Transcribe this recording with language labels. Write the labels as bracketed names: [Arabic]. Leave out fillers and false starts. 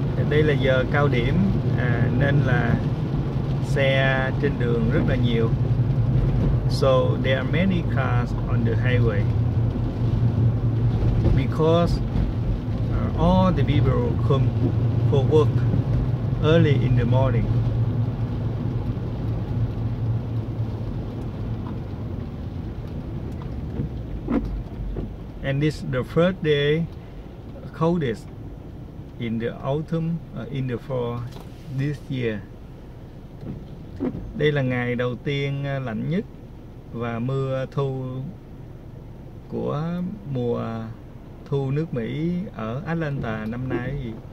[Vietnamese] Đây là giờ cao điểm nên là xe trên đường rất là nhiều. [English] So there are many cars on the highway. Because all the people come for work early in the morning. And this is the first day coldest in the autumn, in the fall this year. [Vietnamese] Đây là ngày đầu tiên lạnh nhất và mưa thu của mùa thu nước Mỹ ở Atlanta năm nay.